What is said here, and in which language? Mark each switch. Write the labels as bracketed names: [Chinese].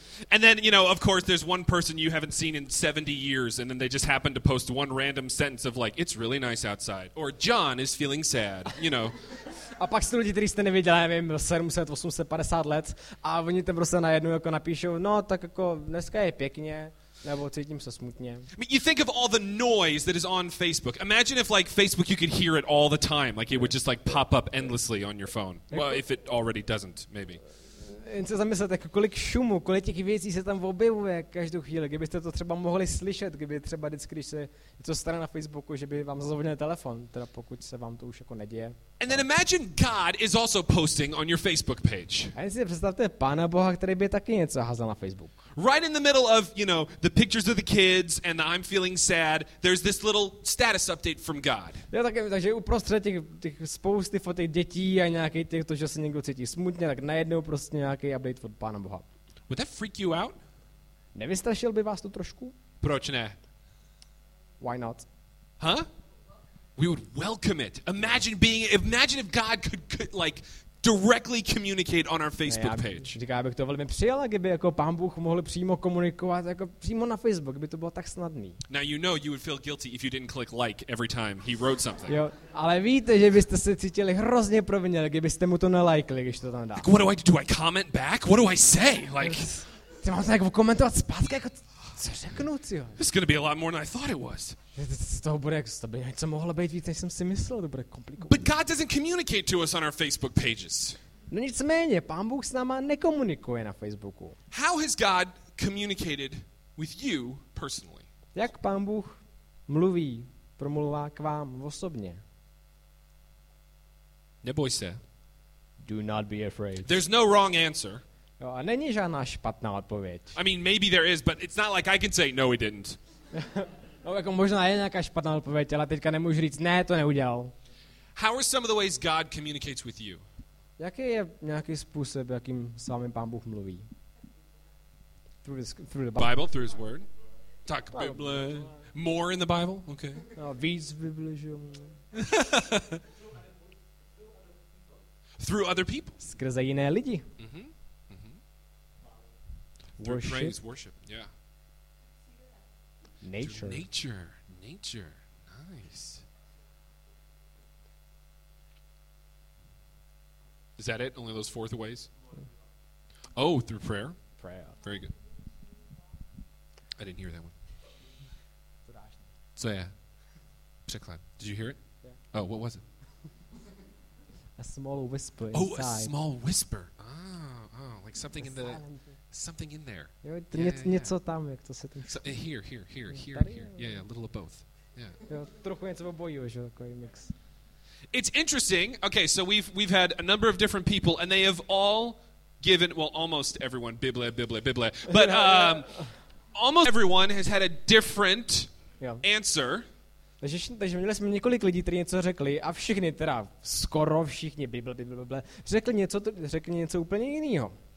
[English] And then, you know, of course, there's one person you haven't seen in 70 years, and then they just happen to post one random sentence of like, it's really nice outside, or John is feeling sad, you know. [Czech] A pak jsou lidi, kteří jste neviděli, já nevím, 700, 850 let, a oni tam prostě najednou jako napíšou, no, tak jako dneska je pěkně, nebo cítím se smutně. [English] I mean, you think of all the noise that is on Facebook. Imagine if, like, Facebook, you could hear it all the time, like it would just, like, pop up endlessly on your phone. Well, if it already doesn't, maybe. [Czech] Jen se zamyslet, jako kolik šumu, kolik těch věcí se tam objevuje každou chvíli, kdybyste to třeba mohli slyšet, kdyby třeba vždycky, když se něco stane na Facebooku, že by vám zazvonil telefon, teda pokud se vám to už jako neděje. [English] And then imagine God is also posting on your Facebook page. [Czech] A jen si představte Pána Boha, který by taky něco házal na Facebook. [English] Right in the middle of, you know, the pictures of the kids and the I'm feeling sad, there's this little status update from God. [Czech] Jo, takže uprostřed těch spousty fotek dětí a nějaký těch to, že se někdo cítí smutně, tak najednou prostě nějaký update od Pána Boha. [English] Would that freak you out? [Czech] Nevystrašil by vás to trošku? Proč ne? [English] Why not? Huh? We would welcome it. Imagine if God could like directly communicate on our Facebook page. [Czech] Říká, bych to velmi přijal, kdyby jako Pán Bůh mohl přímo komunikovat jako přímo na Facebook, by to bylo tak snadný. [English] Now you know you would feel guilty if you didn't click like every time he wrote something. [Czech] Jo, ale víte, že byste se cítili hrozně provinili, kdybyste mu to nelajkli, když to tam dá. [English] Like, what do? I comment back? What do I say? Like, [Czech] ty máš jako komentovat zpátky, jako co řeknu, ty jo? [English] It's gonna be a lot more than I thought it was. [Czech] To by něco mohlo být víc, než jsem si myslel, to bude komplikovat. [English] But God doesn't communicate to us on our Facebook pages. [Czech] No nicméně, Pán Bůh s náma nekomunikuje na Facebooku. [English] How has God communicated with you personally? [Czech] Jak Pán Bůh mluví, promluvá k vám osobně? Neboj se. [English] Do not be afraid. There's no wrong answer. [Czech] Jo, a není žádná špatná odpověď. [English] I mean, maybe there is, but it's not like I can say, no, he didn't. [Czech] No, jako možná je nějaká špatná odpověď, ale teďka nemůžu říct, ne, to neudělal. [English] How are some of the ways God communicates with you? [Czech] Jaký je nějaký způsob, jakým s vámi Pán Bůh mluví? [English] Through the Bible. Bible, through his word. Talk Bible. More in the Bible? Okay. [Czech] No, víc Bible, že [English] through other people. [Czech] Skrze jiné lidi. [English] Worship. Through praise, worship, yeah. Nature. Nature. Nice. Is that it? Only those four ways? Oh, through prayer? Prayer. Very good. I didn't hear that one. So yeah. Překlad. Did you hear it? Yeah. Oh, what was it? A small whisper inside. Oh, a small whisper. Oh, like something in the... Something in there. [Czech] Jo, něco tam, jak to se tam. [English] So, here. Yeah, a little of both. Yeah. [Czech] Jo, trochu něco obojího, že takový mix. [English] It's interesting. Okay, so we've had a number of different people, and they have all given, well, almost everyone, Bible, but almost everyone has had a different answer. [Czech] Takže měli jsme několik lidí, kteří něco řekli, a všichni, teda skoro všichni, Bible, řekli něco úplně jiného.